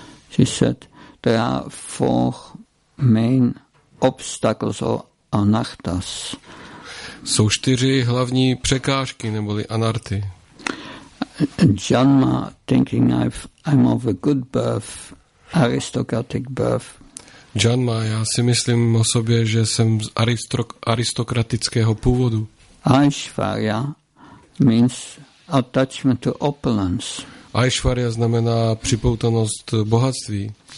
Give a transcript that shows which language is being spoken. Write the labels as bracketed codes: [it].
[en] She said, there are four main obstacles or anarthas. [cs] Jsou čtyři hlavní překážky, neboli anarty. [en] Janma, thinking I'm of a good birth, aristocratic birth. [cs] Janma, já si myslím o sobě, že jsem z aristokratického původu. [en] Aishvarya means attachment to opulence. [cs] Aishvarya znamená připoutanost bohatství.